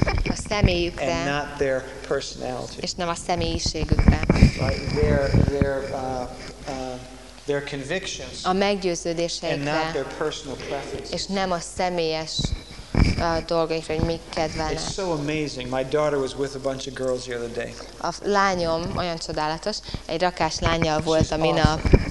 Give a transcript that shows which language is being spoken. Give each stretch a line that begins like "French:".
Hungarian: A személyükre.
English: And not their personality.
Hungarian: És nem a személyiségükre.
English: Like their their convictions.
Hungarian: A meggyőződéseikre.
English: And not their personal preferences.
Hungarian: És nem a személyes dolgaikra, hogy mik kedvelnek.
English: It's so amazing. My daughter was with a bunch of girls the other day.
Hungarian: A lányom olyan csodálatos, egy rakás lányjal volt a minap.